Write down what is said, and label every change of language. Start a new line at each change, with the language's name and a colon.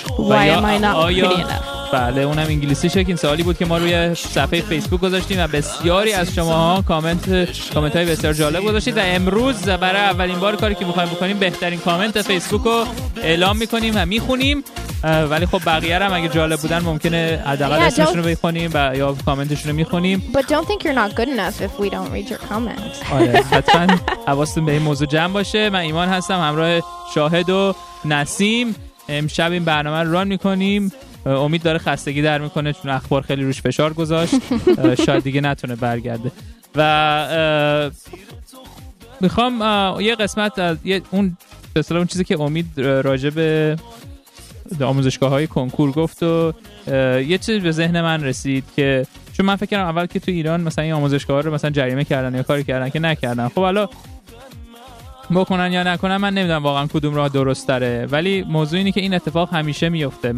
Persian: و یا آیا بله اونم انگلیسی شد، این سوالی بود که ما روی صفحه فیسبوک گذاشتیم و بسیاری از شماها کامنت های بسیار جالب گذاشتید و امروز برای اولین بار کاری که میخوایم بکنیم بهترین کامنت فیسبوک رو اعلام میکنیم و میخونیم، ولی خب بقیه هم اگه جالب بودن ممکنه حداقل اسمشون رو بخونیم و یا کامنتشون رو میخونیم.
English: But don't think you're not good enough if we don't read your comments.
Persian: آره حتما حواستون به این موضوع جمع باشه. من ایمان هستم همراه شاهد و نسیم، امشب این برنامه رو ران میکنیم. امید داره خستگی در میکنه چون اخبار خیلی روش فشار گذاشت، شاید دیگه نتونه برگرده و میخوام یه قسمت از اون مثلا اون چیزی که امید راجب آموزشگاه های کنکور گفت و یه چیز به ذهن من رسید که چون من فکر کردم اول که تو ایران مثلا این آموزشگاه رو مثلا جریمه کردن یا کاری کردن که نکردن، خب حالا بکنن یا نکنن من نمیدونم واقعا کدوم راه درست تره، ولی موضوع اینه که این اتفاق همیشه میفته.